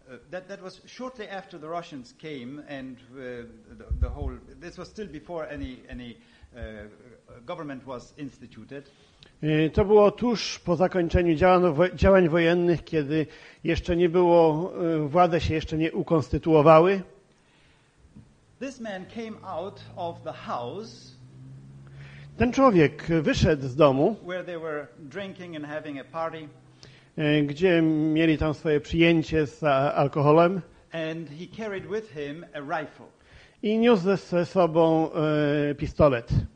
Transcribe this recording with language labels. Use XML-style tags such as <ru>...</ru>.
<en>That was shortly after the Russians came, and the whole, this was still before any government was instituted.</en> <pl>To było tuż po zakończeniu działań wojennych, kiedy jeszcze nie było, władze się jeszcze nie ukonstytuowały.</pl> <en>This man came out of the house.</en> <pl>Ten człowiek wyszedł z domu,</pl> <en>where they were drinking and having a party.</en> <pl>Gdzie mieli tam swoje przyjęcie z alkoholem.</pl> <en>And he carried with him a rifle.</en> <pl>I niósł ze sobą pistolet.</pl>